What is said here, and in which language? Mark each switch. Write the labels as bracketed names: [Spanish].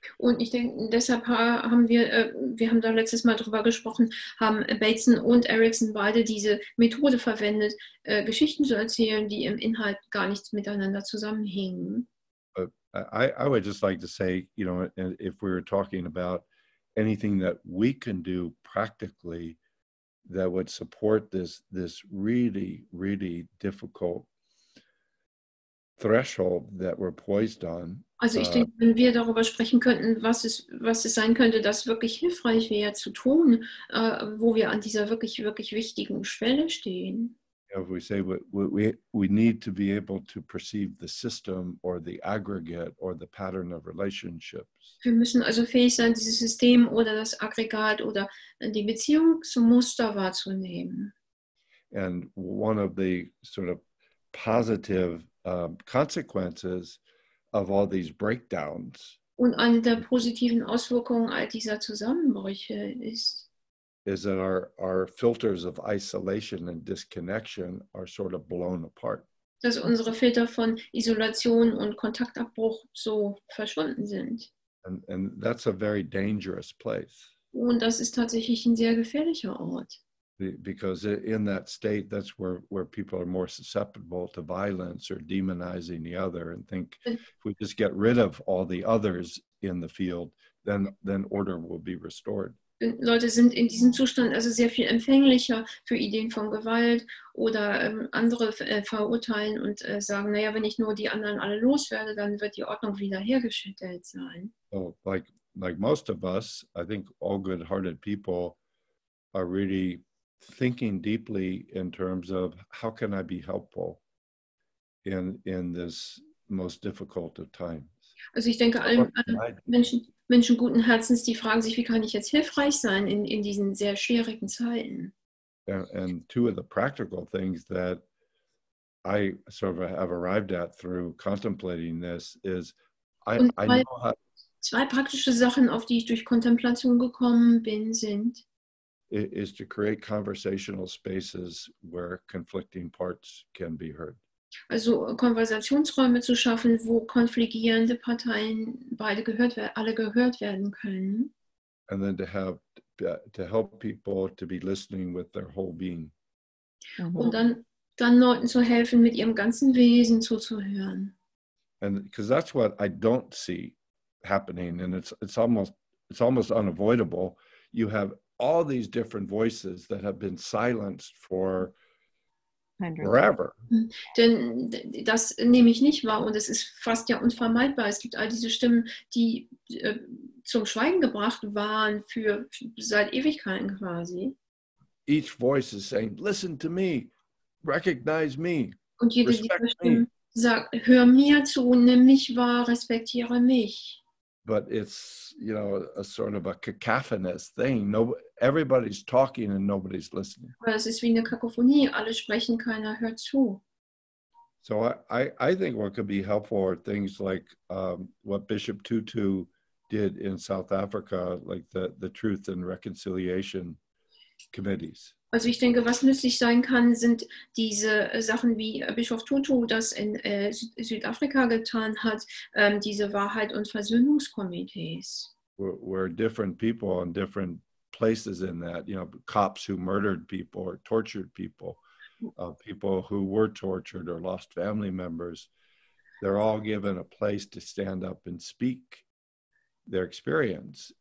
[German] Und ich denke, deshalb haben wir, wir haben da letztes Mal drüber gesprochen, haben Bateson und Erickson beide diese Methode verwendet, Geschichten zu erzählen, die im Inhalt gar nichts miteinander zusammenhängen. [English] I would just like to say, you know, if we were talking about anything that we can do practically that would support this really, really difficult threshold that we're poised on. [German] Also ich denke, wenn wir darüber sprechen könnten, was es sein könnte, das wirklich hilfreich wäre zu tun, wo wir an dieser wirklich, wirklich wichtigen Schwelle stehen. [English] If we say we need to be able to perceive the system or the aggregate or the pattern of relationships. [German] Wir müssen also fähig sein, dieses System oder das Aggregat oder die Beziehung zum Muster wahrzunehmen. [English] And one of the sort of positive consequences of all these breakdowns. [German] Und eine der positiven Auswirkungen all dieser Zusammenbrüche ist [English] that our filters of isolation and disconnection are sort of blown apart. [German] Dass unsere Filter von Isolation und Kontaktabbruch so verschwunden sind. [English] And that's a very dangerous place. [German] Und das ist tatsächlich ein sehr gefährlicher Ort. [English] Because in that state, that's where people are more susceptible to violence or demonizing the other and think, if we just get rid of all the others in the field, then order will be restored. [German] Leute sind in diesem Zustand also sehr viel empfänglicher für Ideen von Gewalt oder andere verurteilen und sagen, naja, wenn ich nur die anderen alle loswerde, dann wird die Ordnung wiederhergestellt sein. [English] So, like most of us, I think all good-hearted people are really thinking deeply in terms of how can I be helpful in this most difficult of times. [German] Also ich denke, allen Menschen guten Herzens, die fragen sich, wie kann ich jetzt hilfreich sein in diesen sehr schwierigen Zeiten. [English] And two of the practical things that I sort of have arrived at through contemplating this is [German] zwei praktische Sachen, auf die ich durch Kontemplation gekommen bin, sind [English] is to create conversational spaces where conflicting parts can be heard. [German] Also Konversationsräume zu schaffen, wo konfligierende Parteien alle gehört werden können. [English] And then to help people to be listening with their whole being. [German] Und dann Leuten zu helfen, mit ihrem ganzen Wesen zuzuhören. [English] And because that's what I don't see happening, and it's almost unavoidable. You have all these different voices that have been silenced for forever. [German] Denn das nehme ich nicht wahr, und es ist fast ja unvermeidbar. Es gibt all diese Stimmen, die zum Schweigen gebracht waren für seit Ewigkeiten quasi. [English] Each voice is saying, listen to me, recognize me. [German] Und jede dieser Stimmen sagt, hör mir zu, nimm mich wahr, respektiere mich. [English] But it's, you know, a sort of a cacophonous thing. No, everybody's talking and nobody's listening. [German] Das ist wie eine Kakophonie. Alle sprechen, keiner hört zu. [English] So I think what could be helpful are things like what Bishop Tutu did in South Africa, like the Truth and Reconciliation Committees. [German] Also ich denke, was nützlich sein kann, sind diese Sachen, wie Bischof Tutu das in Südafrika getan hat, diese Wahrheit- und Versöhnungskomitees. [English] Where different people in different places in that, you know, cops who murdered people or tortured people, people who were tortured or lost family members, they're all given a place to stand up and speak their experience.